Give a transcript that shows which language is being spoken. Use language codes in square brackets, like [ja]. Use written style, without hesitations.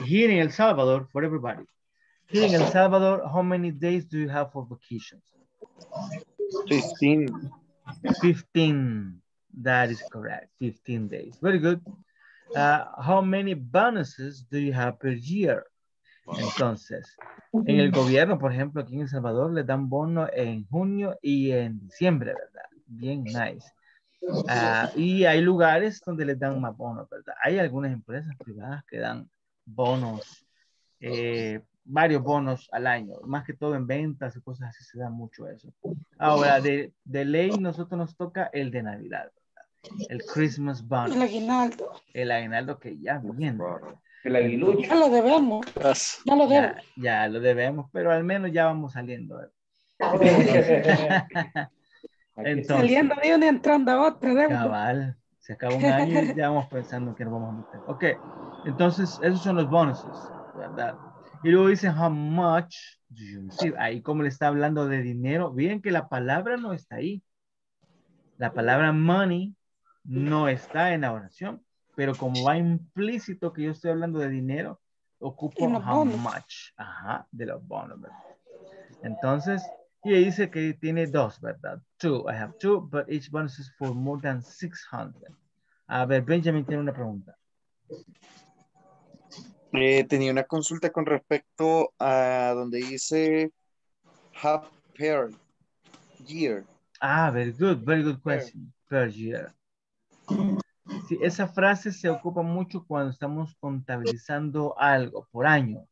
[en] Here in El Salvador, for everybody. Here in El Salvador, how many days do you have for vacations? 15. 15. That is correct. 15 days. Very good. How many bonuses do you have per year? [es] Entonces, en el gobierno, por ejemplo, aquí en El Salvador, le dan bono en junio y en diciembre, ¿verdad? Bien, [en] nice. [es] Y hay lugares donde les dan más bonos, ¿verdad? Hay algunas empresas privadas que dan bonos, varios bonos al año, más que todo en ventas y cosas así, se da mucho eso. Ahora, de ley, nosotros nos toca el de Navidad. El [en] Christmas bonus. [es] El aguinaldo. El aguinaldo que ya viene. El aguinaldo. Ya lo debemos. Ya lo debemos. Ya lo debemos, pero al menos ya vamos saliendo. Entonces, saliendo de una y entrando a otra. Cabal. Se acaba un año y ya vamos pensando que nos vamos a meter. Ok. Entonces, esos son los bonuses, ¿verdad? Y luego dice, [en] how much do you receive? [es] Ahí como le está hablando de dinero. Bien que la palabra no está ahí. La palabra money no está en la oración, pero como va implícito que yo estoy hablando de dinero, ocupo [en] how much, [es] ajá, de los bonos, ¿verdad? Entonces, y dice que tiene dos, ¿verdad? [en] Two, I have two, but each bonus is for more than 600. [es] A ver, Benjamin tiene una pregunta. Tenía una consulta con respecto a donde dice [en] half per year. Ah, very good question, per year. [es] Sí, esa frase se ocupa mucho cuando estamos contabilizando algo por año.